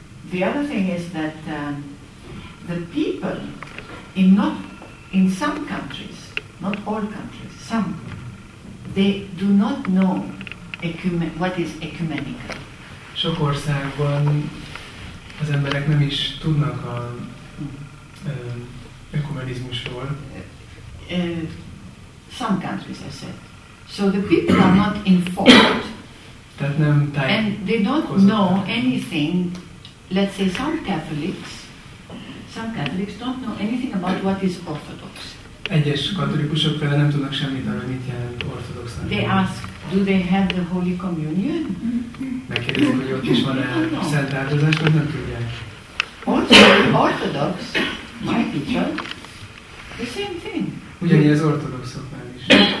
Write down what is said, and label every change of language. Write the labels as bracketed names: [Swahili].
[English] The other thing is that the people in some countries, not all countries, some, they do not know what is ecumenical. [Hungarian] Sok országban az emberek nem is tudnak a ökumenizmusról. [English] Some countries, I said. So the people are not informed. [Hungarian] Tehát nem [English] and they don't know anything. Let's say some Catholics don't know anything about what is Orthodox. [Hungarian] Egyes katolikusok például nem tudnak semmit arra, mit jelent Orthodox. [English] They ask, do they have the Holy Communion? [Hungarian] Megkérdezik, hogy ott is van-e a szent áldozás, vagy nem tudják. [English] Also, Orthodox, my teacher, the same thing. [Hungarian] Ugyanígy az ortodoxoknál is.